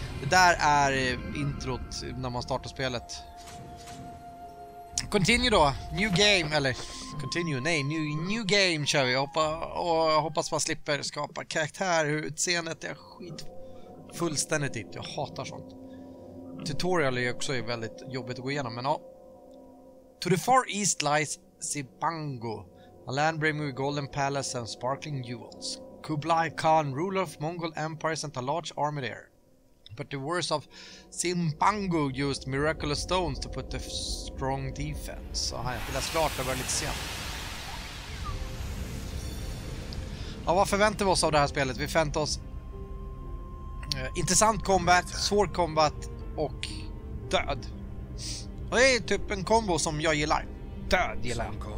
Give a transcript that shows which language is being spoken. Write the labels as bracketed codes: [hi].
[sv] Det där är introt när man startar spelet. Continue då. New game, eller continue, nej, new game kör vi. Jag hoppas man slipper skapa karaktär. Hur utseendet är skit fullständigt dit. Jag hatar sånt. Tutorial är också väldigt jobbigt att gå igenom, men ja. [en] To the far east lies Sipango, a land brimming with golden palace and sparkling jewels. Kublai Khan, ruler of Mongol Empire, sent a large army there. But the wars of Sipango used miraculous stones to put a strong defense. [sv] Så här, det är klart, det var lite sen. Ja, vad förväntar vi oss av det här spelet? Vi förväntar oss intressant combat, svår combat och död. Och det är typ en combo som jag gillar. Död gillar jag.